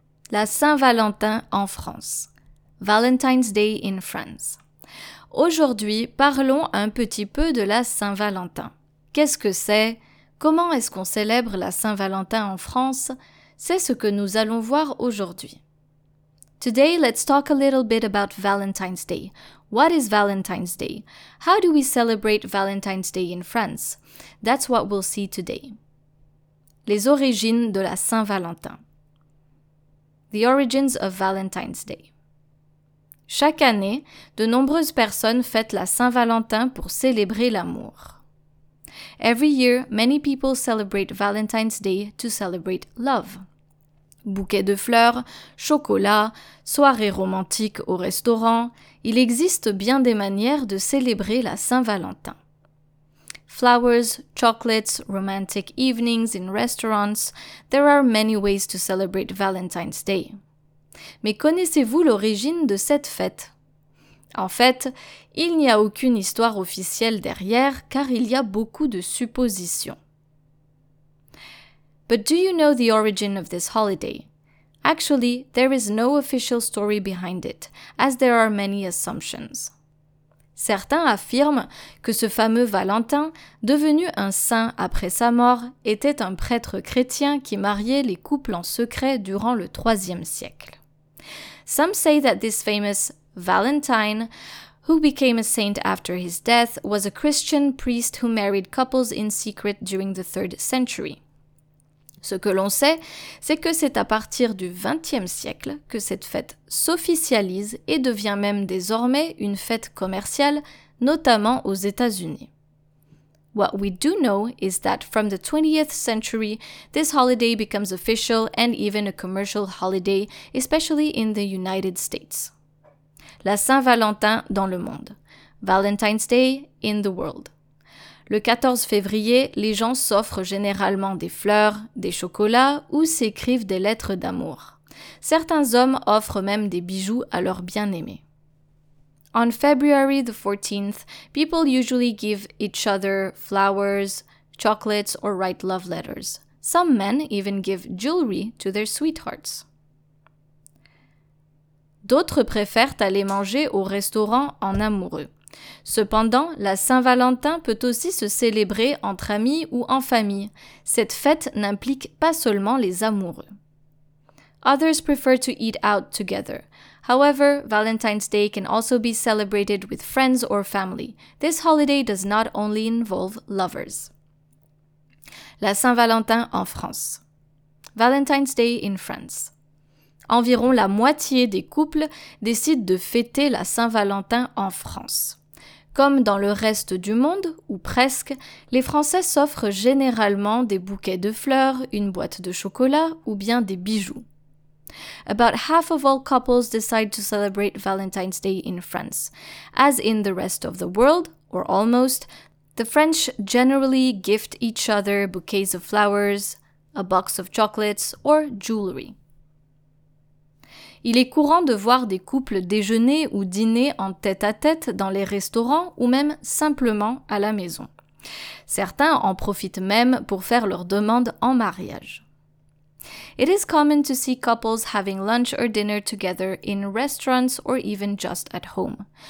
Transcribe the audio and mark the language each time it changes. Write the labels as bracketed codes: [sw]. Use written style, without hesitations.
[fr] La Saint-Valentin en France. [en] Valentine's Day in France. [fr] Aujourd'hui, parlons un petit peu de la Saint-Valentin. Qu'est-ce que c'est? Comment est-ce qu'on célèbre la Saint-Valentin en France? C'est ce que nous allons voir aujourd'hui. [en] Today, let's talk a little bit about Valentine's Day. What is Valentine's Day? How do we celebrate Valentine's Day in France? That's what we'll see today. [fr] Les origines de la Saint-Valentin. [en] The origins of Valentine's Day. [fr] Chaque année, de nombreuses personnes fêtent la Saint-Valentin pour célébrer l'amour. [en] Every year, many people celebrate Valentine's Day to celebrate love. [fr] Bouquets de fleurs, chocolat, soirées romantiques au restaurant, il existe bien des manières de célébrer la Saint-Valentin. [en] Flowers, chocolates, romantic evenings in restaurants, there are many ways to celebrate Valentine's Day. [fr] Mais connaissez-vous l'origine de cette fête? En fait, il n'y a aucune histoire officielle derrière car il y a beaucoup de suppositions. [en] But do you know the origin of this holiday? Actually, there is no official story behind it, as there are many assumptions. [fr] Certains affirment que ce fameux Valentin, devenu un saint après sa mort, était un prêtre chrétien qui mariait les couples en secret durant le IIIe siècle. [en] Some say that this famous Valentine, who became a saint after his death, was a Christian priest who married couples in secret during the 3rd century. [fr] Ce que l'on sait, c'est que c'est à partir du XXe siècle que cette fête s'officialise et devient même désormais une fête commerciale, notamment aux États-Unis. [en] What we do know is that from the 20th century, this holiday becomes official and even a commercial holiday, especially in the United States. [fr] La Saint-Valentin dans le monde. [en] Valentine's Day in the world. [fr] Le 14 février, les gens s'offrent généralement des fleurs, des chocolats ou s'écrivent des lettres d'amour. Certains hommes offrent même des bijoux à leur bien-aimé. [en] On February the 14th, people usually give each other flowers, chocolates or write love letters. Some men even give jewelry to their sweethearts. [fr] D'autres préfèrent aller manger au restaurant en amoureux. Cependant, la Saint-Valentin peut aussi se célébrer entre amis ou en famille. Cette fête n'implique pas seulement les amoureux. [en] Others prefer to eat out together. However, Valentine's Day can also be celebrated with friends or family. This holiday does not only involve lovers. [fr] La Saint-Valentin en France. [en] Valentine's Day in France. [fr] Environ la moitié des couples décident de fêter la Saint-Valentin en France. Comme dans le reste du monde, ou presque, les Français s'offrent généralement des bouquets de fleurs, une boîte de chocolat ou bien des bijoux. [en] About half of all couples decide to celebrate Valentine's Day in France. As in the rest of the world, or almost, the French generally gift each other bouquets of flowers, a box of chocolates or jewelry. [fr] Il est courant de voir des couples déjeuner ou dîner en tête-à-tête dans les restaurants ou même simplement à la maison. Certains en profitent même pour faire leur demande en mariage. [en] It is common to see couples having lunch or dinner together in restaurants or even just at home.